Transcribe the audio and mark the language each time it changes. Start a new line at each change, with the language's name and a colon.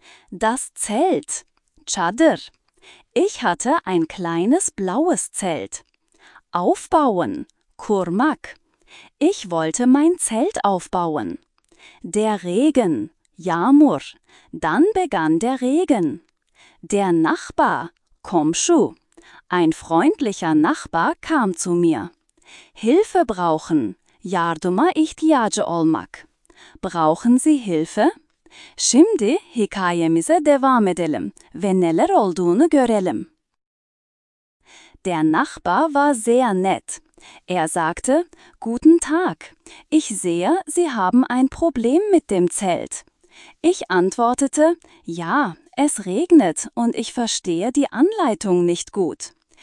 German: Das Zelt. Chadır. Ich hatte ein kleines blaues Zelt. Aufbauen. Kurmak. Ich wollte mein Zelt aufbauen. Der Regen. Yağmur. Dann begann der Regen. Der Nachbar, Komşu, ein freundlicher Nachbar kam zu mir. Hilfe brauchen,
Turkish: yardıma ihtiyacı olmak.
German: Brauchen Sie Hilfe?
Turkish: Şimdi hikayemize devam edelim ve neler olduğunu görelim.
German: Der Nachbar war sehr nett. Er sagte, guten Tag, ich sehe, Sie haben ein Problem mit dem Zelt. Ich antwortete, ja. Es regnet und ich verstehe die Anleitung nicht gut.